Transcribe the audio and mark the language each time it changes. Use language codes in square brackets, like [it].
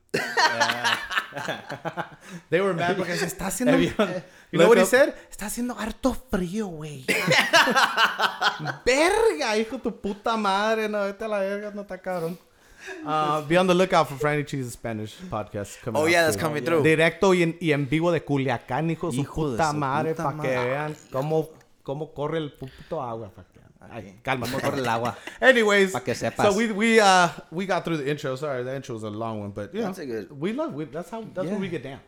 [en] They were mad because [es] está haciendo. [en] You know what he said? [es] Está haciendo harto frío, güey. Verga, hijo tu puta madre. No, esta la verga no está cabrón. [en] Be on the lookout for Franny Cheese's Spanish podcast coming. Oh yeah, that's coming through. [es] Directo y en vivo de Culiacán, hijo, su puta madre, pa que vean cómo corre el puto agua. Calma, cómo corre el agua. Anyways, pa que sepas. [en] So we got through the intro. Sorry, the intro was a long one, but yeah, that's where we get down.